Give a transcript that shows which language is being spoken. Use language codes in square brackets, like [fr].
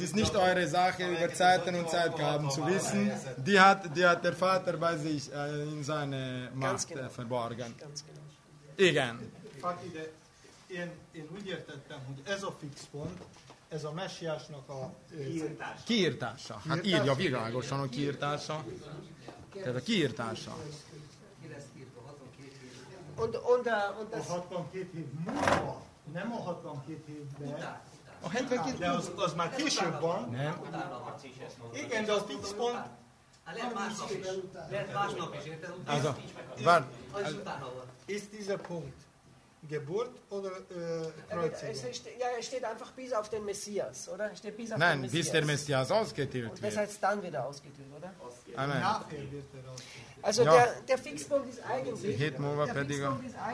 [de] ist nicht eure Sache, über Zeiten und Zeitgaben zu wissen. Die hat der Vater bei sich in seine Macht verborgen. [hu] Igen. Én úgy értettem, hogy ez a fix pont, ez a messiásnak a kiírtása. Hát írja világosan a kiírtása. Tehát a kiírtása. A 62 év múlva, nem a 62 évben. A 72 év. De az már később van. Nem. Igen, de a fix pont... Lehet másnap is, érted? Utána nincs meg az utána van. [de] Ist dieser Punkt Geburt oder Kreuzigung? Es steht einfach bis auf den Messias, oder? Nein, bis der Messias ausgetötet wird. Und das heißt dann wieder ausgetötet, oder? Amen. Also der Fixpunkt ist eigentlich...